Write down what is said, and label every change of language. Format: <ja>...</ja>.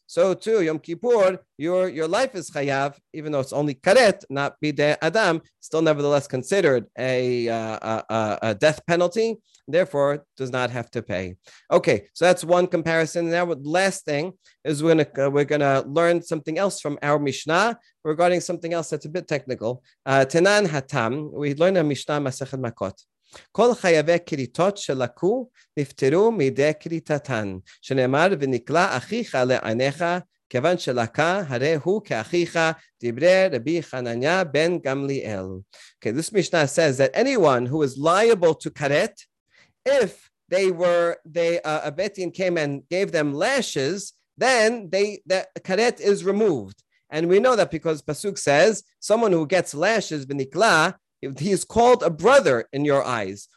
<en>So too, Yom Kippur, your life is chayav, even though it's only karet, not bidei adam, still nevertheless considered a death penalty, therefore does not have to pay. Okay, so that's one comparison. Now, the last thing is we're gonna learn something else from our Mishnah regarding something else that's a bit technical.</en> <he>Tenan hatam,</he> <en>we learn a Mishnah Masechet Makot.</en> <he>כל חייבי קריטות שלקו נפטרו מידי קריטתן, שנאמר ונקלע אחיך לעיניך, כיוון שלקה הרי הוא כאחיך, דברי רבי חנניה בן גמליאל.</he> <en>Okay, this Mishnah says that anyone who is liable to karet, if a betin came and gave them lashes, then the karet is removed. And we know that because Pasuk says, someone who gets lashes benikla, he is called a brother in your eyes.</en>